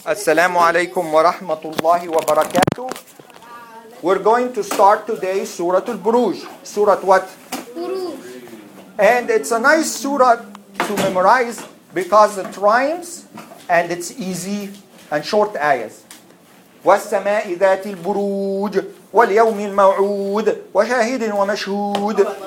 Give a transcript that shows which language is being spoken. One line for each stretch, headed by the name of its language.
Arabic: السلام عليكم ورحمة الله وبركاته.
English: We're going to start today Surah Al-Buruj. Surah what? Buruj. And it's a nice surah to memorize because it rhymes and it's easy and short ayahs.
Arabic: والسماء ذات البروج واليوم الموعود وشاهد ومشهود.